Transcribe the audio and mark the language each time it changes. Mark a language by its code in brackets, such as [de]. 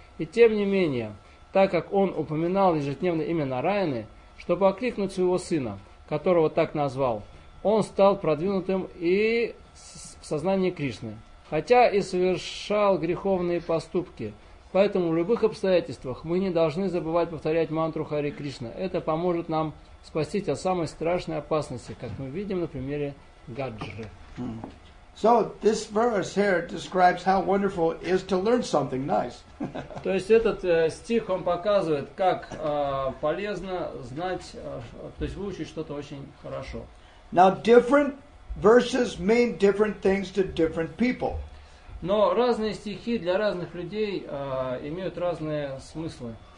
[ru] И тем не менее, так как он упоминал ежедневно имя Нараяны, чтобы окликнуть своего сына, которого так назвал, он стал продвинутым и в сознании Кришны, хотя и совершал греховные поступки. Поэтому в любых обстоятельствах мы не должны забывать повторять мантру Хари Кришна. Это поможет нам спастись от самой страшной опасности, как мы видим на примере Гаджры. [en] So this verse here describes how wonderful it is to learn something nice. [ru] То есть этот стих он показывает, как полезно знать, то есть выучить что-то очень хорошо. [en] Now different verses mean different things to different people. [ru] Но разные стихи для разных людей имеют разные смыслы.